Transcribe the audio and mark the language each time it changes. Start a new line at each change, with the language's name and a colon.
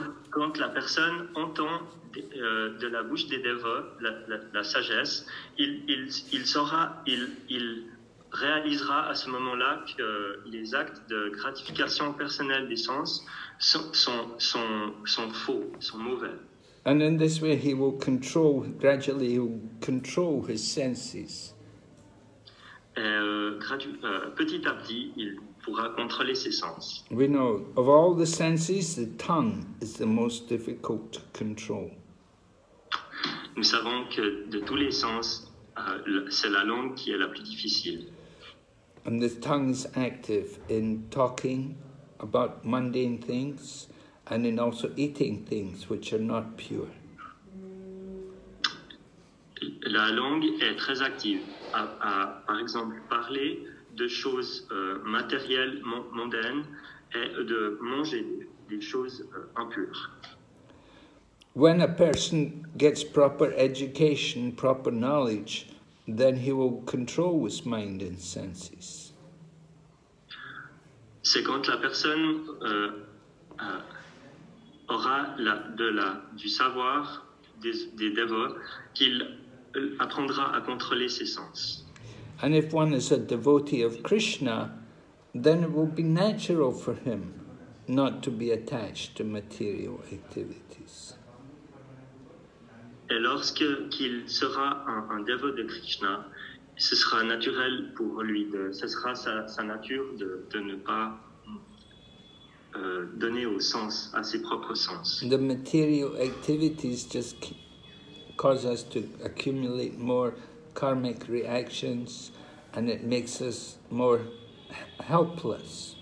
French: Quand la personne entend de la bouche des dévots la sagesse, il réalisera à ce moment-là que les actes de gratification personnelle des sens sont faux, sont mauvais.
English: And in this way, he will control, gradually he will control his senses.
French: Petit à petit, il pourra contrôler ses sens.
English: We know, of all the senses, the tongue is the most difficult to control.
French: Nous savons que de tous les sens, c'est la langue qui est la plus difficile.
English: And the tongue is active in talking about mundane things and in also eating things which are not pure.
French: La langue est très active à par exemple parler de choses matérielles mondaines et de manger des choses impures.
English: When a person gets proper education, proper knowledge, then he will control his mind and senses.
French: C'est quand la personne aura du savoir des dévots qu'il apprendra à contrôler ses sens.
English: And if one is a devotee of Krishna, then it will be natural for him not to be attached to material activities.
French: Et lorsque qu'il sera un dévot de Krishna, ce sera naturel pour lui, ce sera sa nature de ne pas donner au sens, à ses propres sens.
English: The material activities just cause us to accumulate more karmic reactions and it makes us more helpless.